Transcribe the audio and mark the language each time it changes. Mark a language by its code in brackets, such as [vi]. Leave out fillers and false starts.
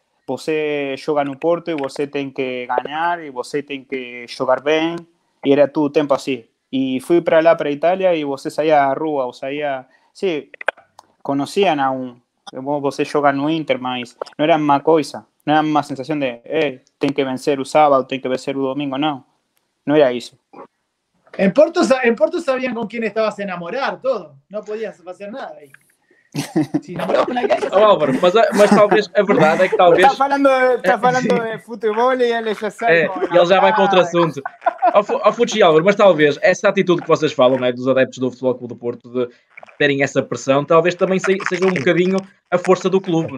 [pt] Você joga no Porto e você tem que ganhar e você tem que jogar bem. E era todo o tempo assim. E fui para lá, para Itália, e você saía à rua, ou saía... Sim, conheciam você joga no Inter, mas não era a mesma coisa. Não era a mesma sensação de, tem que vencer o sábado, tem que vencer o domingo. Não, não era isso. [es] En Porto sabían con quién estabas a enamorar, todo. No podías hacer nada ahí. [pt] Sí, Álvaro, mas talvez a verdade é que talvez está falando de futebol e ele já sabe. Ele já vai para outro assunto. Futi, Álvaro, mas talvez essa atitude que vocês falam, né, dos adeptos do Futebol Clube do Porto de terem essa pressão, talvez também seja um bocadinho a força do clube.